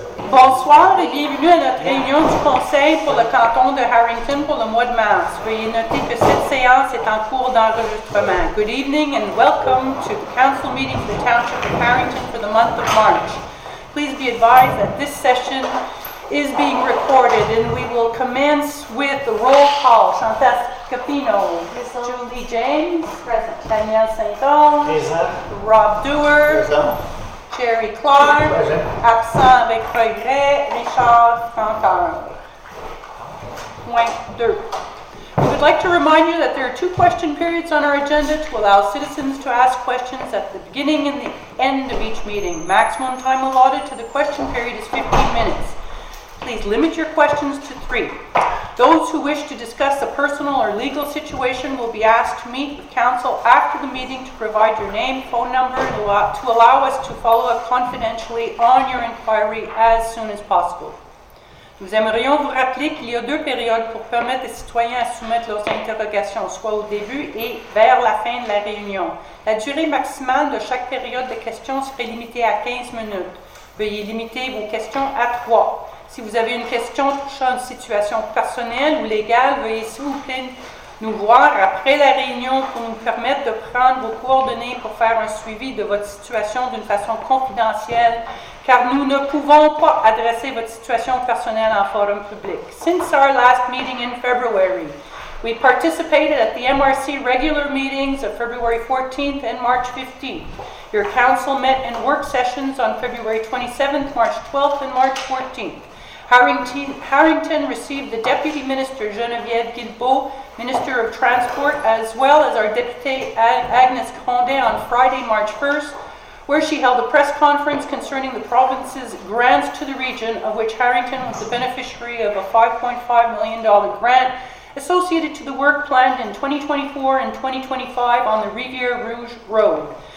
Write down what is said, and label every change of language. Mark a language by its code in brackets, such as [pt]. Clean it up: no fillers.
[fr] Bonsoir et bienvenue à notre réunion du conseil pour le canton de Harrington pour le mois de mars. Veuillez noter que cette séance est en cours d'enregistrement. [en] Good evening and welcome to the council meeting for the township of Harrington for the month of March. Please be advised that this session is being recorded and we will commence with the roll call. Chantal Capino, present. Julie James, present. Danielle Saint-Ange, present. Rob Dewar, present. Jerry Clark, present. [fr] Absent avec regret, Richard Francard. Point 2. [en] We would like to remind you that there are two question periods on our agenda to allow citizens to ask questions at the beginning and the end of each meeting. Maximum time allotted to the question period is 15 minutes. Please limit your questions to three. Those who wish to discuss a personal or legal situation will be asked to meet with council after the meeting to provide your name, phone number, to allow us to follow up confidentially on your inquiry as soon as possible. [fr] Nous aimerions vous rappeler qu'il y a deux périodes pour permettre aux citoyens à soumettre leurs interrogations, soit au début et vers la fin de la réunion. La durée maximale de chaque période de questions serait limitée à 15 minutes. Veuillez limiter vos questions à trois. Si vous avez une question touchant une situation personnelle ou légale, veuillez s'il vous plaît nous voir après la réunion pour nous permettre de prendre vos coordonnées pour faire un suivi de votre situation d'une façon confidentielle, car nous ne pouvons pas adresser votre situation personnelle en forum public. [en] Since our last meeting in February, we participated at the MRC regular meetings of February 14th and March 15th. Your council met in work sessions on February 27th, March 12th, and March 14th. Harrington received the Deputy Minister Geneviève Guilbeault, Minister of Transport, as well as our Deputy Agnès Condé on Friday, March 1st, where she held a press conference concerning the province's grants to the region, of which Harrington was the beneficiary of a $5.5 million grant associated to the work planned in 2024 and 2025 on the Rivière Rouge Road.